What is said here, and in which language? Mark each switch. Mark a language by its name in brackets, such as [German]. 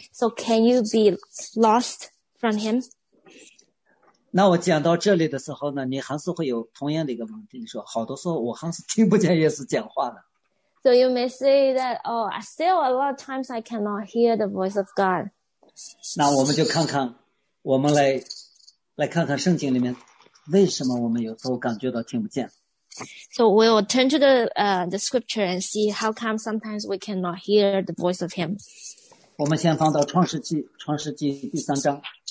[English] So can you be lost from him? [Chinese] 那我讲到这里的时候呢，你还是会有同样的一个问题，你说好多时候我还是听不见耶稣讲话的。 [English] So you may say that, oh, still a lot of times I cannot hear the voice of God. [Chinese] 那我们就看看，我们来看看圣经里面，为什么我们有时候感觉到听不见。 [English] So we'll turn to the scripture and see how come sometimes we cannot hear the voice of him. [Chinese] 我们先放到创世纪第三章。